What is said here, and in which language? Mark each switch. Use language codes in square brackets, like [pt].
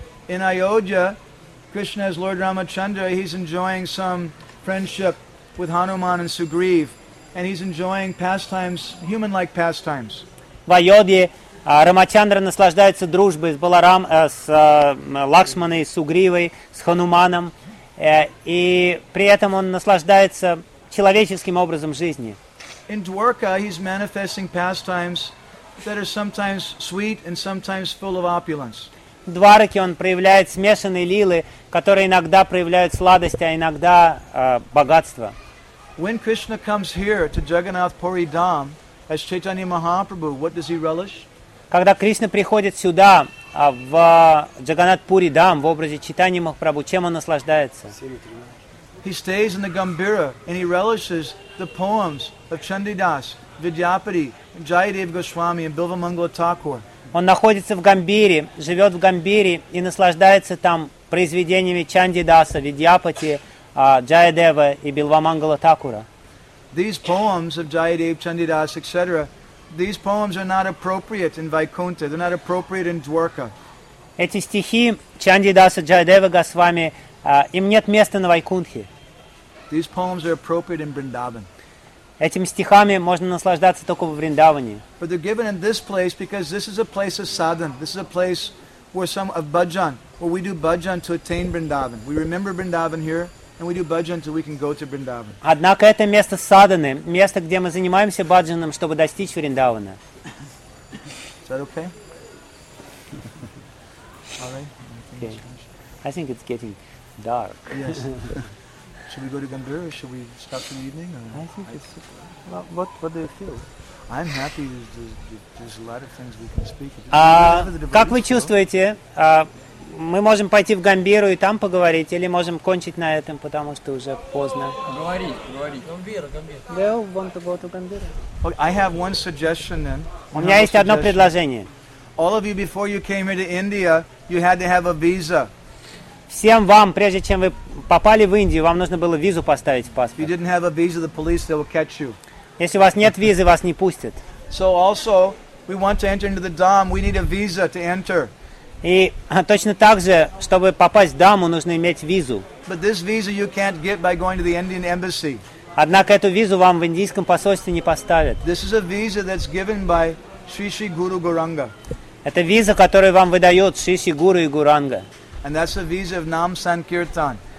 [en] In Ayodhya, Krishna's Lord Ramachandra, he's enjoying some friendship with Hanuman and Sugriv, and he's enjoying pastimes, human-like pastimes. [ru] В Айодхе Рамачандра наслаждается дружбой с Баларам, с Лакшманой, с Сугривой, с Хануманом, и при этом он наслаждается человеческим образом жизни. [en] In Dwarka, he's manifesting pastimes that are sometimes sweet and sometimes full of opulence. [ru] В Двараке он проявляет смешанные лилы, которые иногда проявляют сладость, а иногда богатство. [en] When Krishna comes here to Jagannath Puri Dham as Chaitanya Mahaprabhu, what does he relish? [ru] Когда Кришна приходит сюда, в Джаганнат Пури Дам, в образе Чайтаньи Махапрабху, чем он наслаждается? [en] He stays in the Gambira and he relishes the poems of Chandidas, Vidyapati, Jayadev Goswami and Bilvamangala Thakur. [ru] Он находится в Гамбире, живет в Гамбире и наслаждается там произведениями Чандидаса, Видьяпати, Джаядева и Билвамангала Такура. [en] These poems of Jayadev, Chandidas, etc., these poems are not appropriate in Vaikuntha, they're not appropriate in Dwarka. [ru] Эти стихи Чандидаса, Джаядева, Госвами, им нет места на Вайкунтхе. [en] These poems are appropriate in Vrindavan. [ru] Этим стихами можно наслаждаться только в Вриндаване. [en] But they're given in this place because this is a place of sadhan. This is a place where some of bhajan, where we do bhajan to attain Vrindavan. We remember Vrindavan here, and we do bhajan so we can go to Vrindavan. [ru] Однако это место садханы, место, где мы занимаемся бхаджаном, чтобы достичь Вриндавана. [en] Is that okay? All right. Okay. I think it's getting dark. Yes. Should we go to Gambira? Should we stop for the evening? I think it's... What do you feel? I'm happy. There's a lot of things we can speak about. [ru] Как вы чувствуете? Мы можем пойти в Гамбиру и там поговорить, или можем кончить на этом, потому что уже поздно? Говори, говори. [en] Gambira. Well, want to go to Gambira? Okay, I have one suggestion then. [ru] У меня есть одно предложение. [en] All of you, before you came here to India, you had to have a visa. [ru] Всем вам, прежде чем вы попали в Индию, вам нужно было визу поставить в паспорт. [en] If you didn't have a visa, the police, they will catch you. [ru] Если у вас нет визы, вас не пустят. [en] So also, we want to enter into the Dham, we need a visa to enter. [ru] И точно так же, чтобы попасть в Даму, нужно иметь визу. [en] But this visa you can't get by going to the Indian embassy. [ru] Однако эту визу вам в индийском посольстве не поставят. [en] This is a visa that's given by Sri Sri Guru Gauranga. [ru] Это виза, которую вам выдает Шри Шри Гуру и Гуранга. [en] And that's a visa of Nam Sankirtan.